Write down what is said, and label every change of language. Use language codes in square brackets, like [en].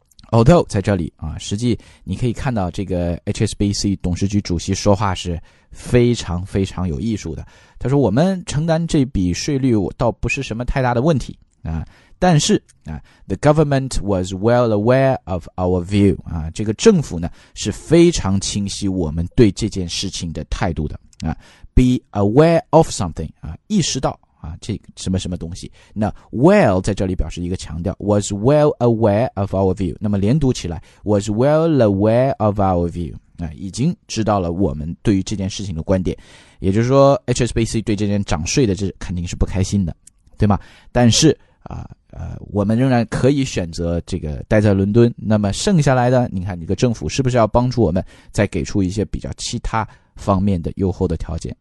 [zh] Although 在这里啊，实际你可以看到这个 HSBC 董事局主席说话是非常非常有艺术的，他说我们承担这笔税率倒不是什么太大的问题啊，但是啊 ， [en] the government was well aware of our view [zh] 啊，这个政府呢是非常清晰我们对这件事情的态度的啊。 [en] Be aware of something [zh] 啊，意识到啊，这个什么什么东西。那 well 在这里表示一个强调 ， [en] was well aware of our view。 [zh] 那么连读起来 [en] ，was well aware of our view。 [zh] 啊，已经知道了我们对于这件事情的观点，也就是说 ，HSBC 对这件涨税的这肯定是不开心的，对吗？但是啊，我们仍然可以选择这个待在伦敦。那么剩下来的，你看，这个政府是不是要帮助我们再给出一些比较其他方面的优厚的条件？